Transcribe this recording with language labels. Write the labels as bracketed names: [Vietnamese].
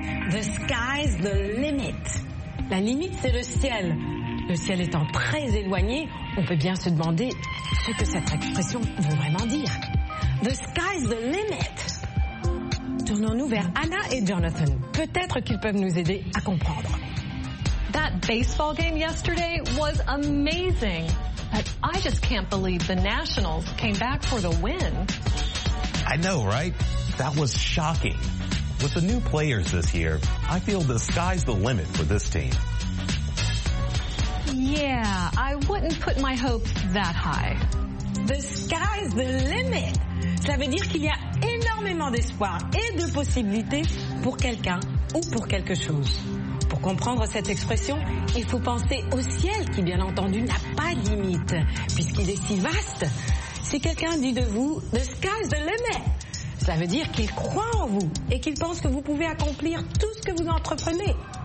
[English] The sky's the limit. [French] La limite, c'est le ciel. Le ciel étant très éloigné, on peut bien se demander ce que cette expression veut vraiment dire. [English] The sky's the limit. [French] Tournons-nous vers Anna et Jonathan. Peut-être qu'ils peuvent nous aider à comprendre. [English] That baseball game yesterday was amazing. I just can't believe the Nationals came back for the win. I know, right? That was shocking. With the new players this year, I feel the sky's the limit for this team. Yeah, I wouldn't put my hopes that high. The sky's the limit. [French] Cela veut dire qu'il y a énormément d'espoir et de possibilités pour quelqu'un ou pour quelque chose. Pour comprendre cette expression, il faut penser au ciel qui, bien entendu, n'a pas de limite, puisqu'il est si vaste. Si quelqu'un dit de vous « [English] The sky's the limit [French] », cela veut dire qu'il croit en vous et qu'il pense que vous pouvez accomplir tout ce que vous entreprenez.